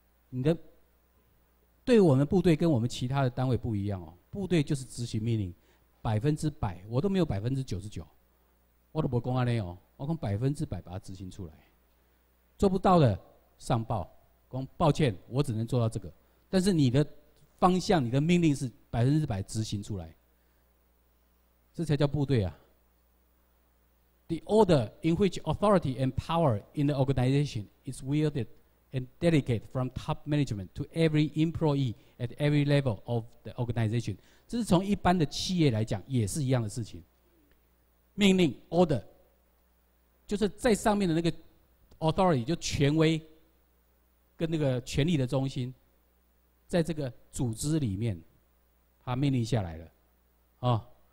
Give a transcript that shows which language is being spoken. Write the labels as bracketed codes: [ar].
[zh] 你的对我们部队跟我们其他的单位不一样哦，部队就是执行命令，100%，我都没有99%，我都不说这样哦，我说100%把它执行出来，做不到的上报，说抱歉，我只能做到这个，但是你的方向，你的命令是100%执行出来。这才叫部队啊。 [en] The order in which authority and power in the organization is wielded and delegated from top management to every employee at every level of the organization. [zh] 这是从一般的企业来讲也是一样的事情。命令 order 就是在上面的那个 authority 就权威跟那个权力的中心在这个组织里面他命令下来了啊。